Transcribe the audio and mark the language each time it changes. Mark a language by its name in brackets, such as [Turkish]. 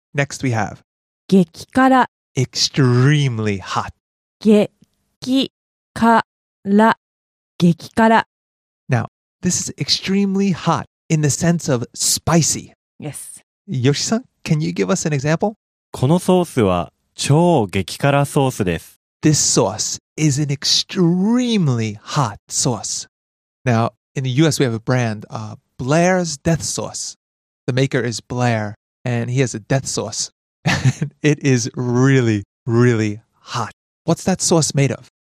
[English] Next we have... [Japanese] 激辛。 [English] Extremely hot. [Japanese] 激辛。激辛。 [English] Now, this is extremely hot in the sense of spicy. Yes. Yoshi-san, can you give us an example? [Japanese] このソースは超激辛ソースです。 [English] This sauce is an extremely hot sauce. Now, in the US we have a brand, Blair's Death Sauce. The maker is Blair, and he has a death sauce. It is really, really hot. What's that sauce made of?